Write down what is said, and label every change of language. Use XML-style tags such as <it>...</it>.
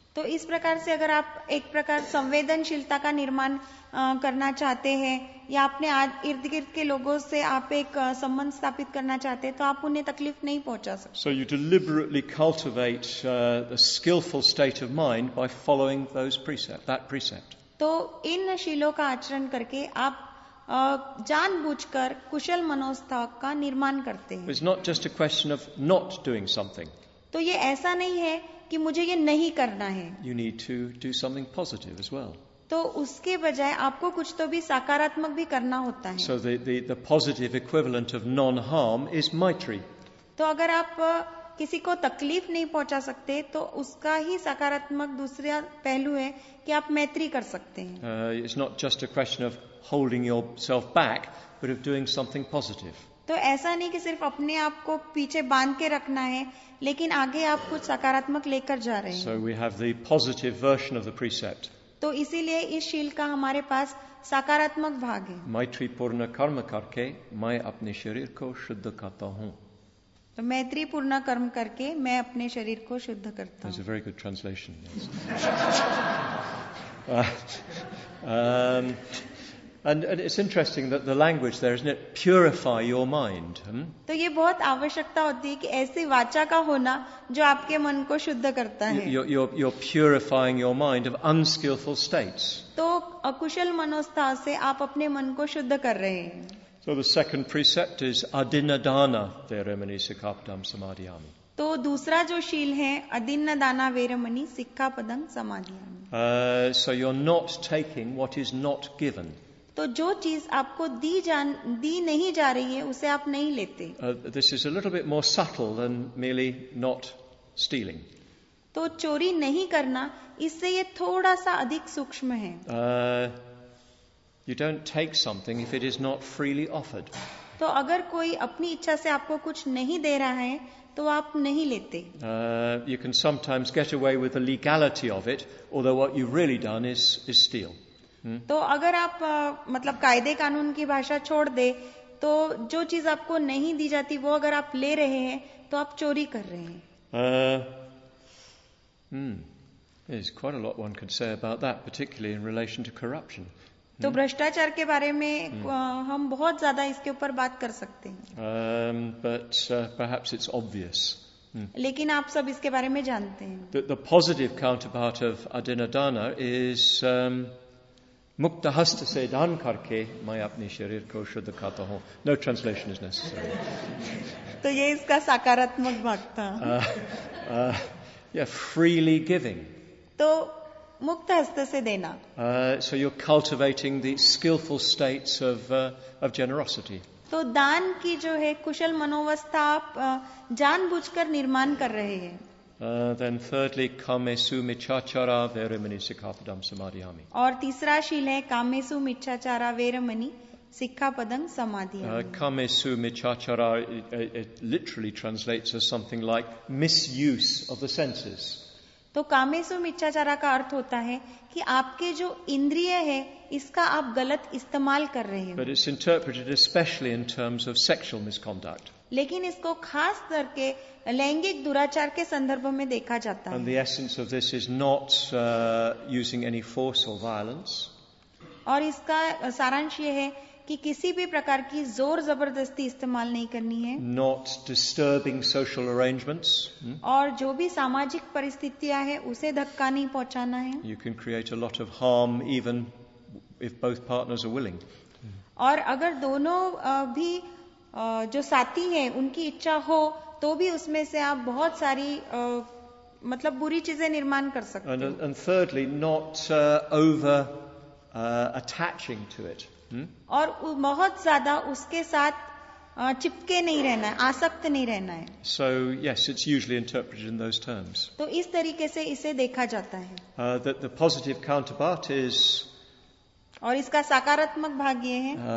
<hi>तो इस प्रकार से अगर आप एक प्रकार संवेदनशीलता का निर्माण करना चाहते हैं या अपने इर्द गिर्द के लोगों से आप एक संबंध स्थापित करना चाहते हैं तो आप उन्हें तकलीफ नहीं पहुंचा सकते.</hi> <en>So you deliberately cultivate a skillful state of mind by following those precept, that precept.</en> <hi>तो इन शीलों का आचरण करके आप जानबूझकर कुशल मनोस्था का निर्माण करते हैं.</hi> <en>It's not just a question of not doing something.</en> <hi>तो ये ऐसा नहीं है कि मुझे ये नहीं करना है.</hi> <en>You need to do something positive as well.</en> <hi>तो उसके बजाय आपको कुछ तो भी सकारात्मक भी करना होता है.</hi> <en>So the positive equivalent of non-harm is maitri.</en> <hi>तो अगर आप किसी को तकलीफ नहीं पहुंचा सकते तो उसका ही सकारात्मक दूसरा पहलू है कि आप मैत्री कर सकते हैं.</hi> <en>It's not just a question of holding yourself back, but of doing something positive.</en> <hi>तो ऐसा नहीं कि सिर्फ अपने आप को पीछे बांध के रखना है लेकिन आगे आप कुछ सकारात्मक लेकर जा रहे हैं.</hi> <en>So we have the positive version of the precept.</en> <hi>तो इसीलिए इस शील का हमारे पास सकारात्मक भाग है. मैत्री पूर्ण कर्म करके मैं अपने शरीर को शुद्ध करता हूँ. तो मैत्री पूर्ण कर्म करके मैं अपने शरीर को शुद्ध करता हूँ.</hi> <en>That's a very good translation. Yes. And it's interesting that the language there, isn't it? Purify your mind.</en> <hi>तो ये बहुत आवश्यकता होती है कि ऐसे वाचा का होना जो आपके मन को शुद्ध करता है.</hi> <en>You're purifying your mind of unskillful states.</en> <hi>तो अकुशल मनोस्था से आप अपने मन को शुद्ध कर रहे हैं.</hi> <en>So the second precept is</en> <pi>adinadana veeramani sikkhapadam samadhiyami.</pi> <hi>तो दूसरा जो शील है</hi> <pi>अदिन्न दाना वेरमणि सिक्खापदं समाधियामि.</pi> <en>So you're not taking what is not given.</en> <hi>तो जो चीज आपको दी नहीं जा रही है उसे आप नहीं लेते.</hi> <en>This is a little bit more subtle than merely not stealing.</en> <hi>तो चोरी नहीं करना इससे ये थोड़ा सा अधिक सूक्ष्म है.</hi> <en>You don't take something if it is not freely offered.</en> <hi>तो अगर कोई अपनी इच्छा से आपको कुछ नहीं दे रहा है तो आप नहीं लेते.</hi> <en>You can sometimes get away with the legality of it, although what you've really done is steal.</en> <hi>तो अगर आप मतलब कायदे कानून की भाषा छोड़ दे तो जो चीज आपको नहीं दी जाती वो अगर आप ले रहे हैं तो आप चोरी कर रहे हैं.</hi> <en>There's quite a lot one could say about that, particularly in relation to corruption.</en> <hi>तो भ्रष्टाचार के बारे में हम बहुत ज्यादा इसके ऊपर बात कर सकते हैं.</hi> <en>But perhaps it's obvious.</en> <hi>लेकिन आप सब इसके बारे में जानते हैं.</hi> <en>The positive counterpart of adinadana is</en> <hi>मुक्त हस्त से दान करके मैं अपने शरीर को शुद्ध करता हूँ.</hi> <en>No translation is necessary.</en> <hi>तो ये इसका सकारात्मक भाग था.</hi> <en>Freely giving.</en> <hi>तो मुक्त हस्त से देना.</hi> <en>So you're cultivating the skillful states of generosity.</en> <hi>तो दान की जो है कुशल मनोवस्था आप जानबूझकर निर्माण कर रहे हैं.</hi> <en>Then thirdly,</en> <pi>kamesu michachara veeramani sikkhapadam samadhiyami.</pi> <hi>और तीसरा शील है</hi> <pi>kamesu michachara veeramani sikkhapadam samadhiyami.</pi> <en>Kamesu michachara it literally translates as something like misuse of the senses.</en> <hi>तो kamesu michachara का अर्थ होता है कि आपके जो इंद्रिय है इसका आप गलत इस्तेमाल कर रहे हैं.</hi> <en>But it's interpreted especially in terms of sexual misconduct.</en> <hi>लेकिन इसको खास करके लैंगिक दुराचार के संदर्भ में देखा जाता</hi> <en>है. And the essence of this is not using any force or violence.</en> <hi>और इसका सारांश यह है कि किसी भी प्रकार की जोर जबरदस्ती इस्तेमाल नहीं करनी है.</hi> <en>Not disturbing social arrangements.</en> <hi>और जो भी सामाजिक परिस्थितियां हैं उसे धक्का नहीं पहुंचाना है.</hi> <en>You can create a lot of harm even if both partners are willing.</en> <hi>और अगर दोनों भी जो साथी हैं उनकी इच्छा हो तो भी उसमें से आप बहुत सारी मतलब बुरी चीजें निर्माण कर सकते हैं.</hi> <en>And thirdly, not over attaching to it.</en> <hi>और बहुत ज्यादा उसके साथ चिपके नहीं रहना है, आसक्त नहीं रहना है.</hi> <en>So yes, it's usually interpreted in those terms.</en> <hi>तो इस तरीके से इसे देखा जाता है.</hi> <en>That the positive counterpart is.</en> <hi>और इसका सकारात्मक भाग ये है.</hi>